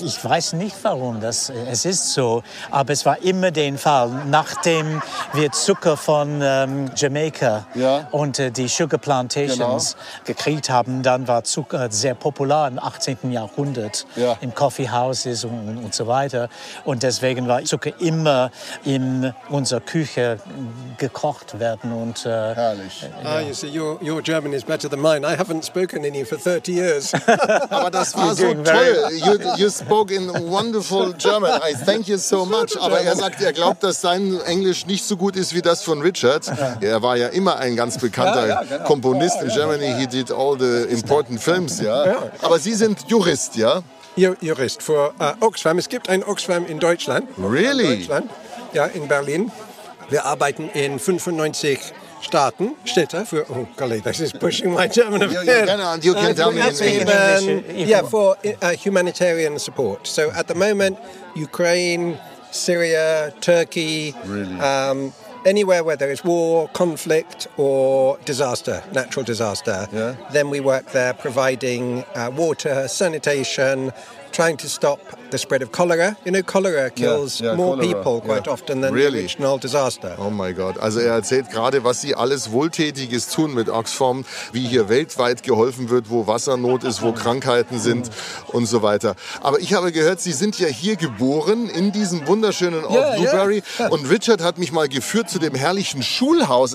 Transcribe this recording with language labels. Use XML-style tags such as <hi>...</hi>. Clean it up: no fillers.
<de>Ich weiß nicht, warum das es ist so, aber es war immer den Fall, nachdem wir Zucker von Jamaica und die</de> <en>Sugar Plantations</en> <de>gekriegt haben, dann war Zucker sehr popular im 18. Jahrhundert in Coffeehouses und so weiter. Und deswegen war Zucker immer in unserer Küche gekocht werden. Und, herrlich.</de> <en>You see, your German is better than mine. I haven't spoken any for 30 years.</en> <de>Aber das war so toll.</de> <en>You spoke in wonderful German. I thank you so much.</en> <de>Aber er sagt, er glaubt, dass sein Englisch nicht so gut ist wie das von Richard. Er war ja immer ein ganz bekannter Komponist</de> <en>in Germany. He did all the important films.</en> <de>Ja. Aber Sie sind Jurist, ja? Jurist für Oxfam. Es gibt ein Oxfam in Deutschland.</de> <en>Really?</en> <de>In Deutschland. Ja, in Berlin. Wir arbeiten in 95 Staaten, Städte für,</de> <en>oh golly, this is pushing my German a bit. You can tell me in English. For humanitarian support. So at the moment, Ukraine, Syria, Turkey, anywhere where there is war, conflict or disaster, natural disaster, then we work there providing water, sanitation, trying to stop the spread of cholera. You know, cholera kills more people quite often than really? The original disaster. Oh my God.</en> <de>Also er erzählt gerade, was sie alles Wohltätiges tun mit Oxfam, wie hier weltweit geholfen wird, wo Wassernot ist, wo Krankheiten sind und so weiter. Aber ich habe gehört, Sie sind ja hier geboren, in diesem wunderschönen Ort Newbury. Yeah. Und Richard hat mich mal geführt zu dem herrlichen Schulhaus.</de>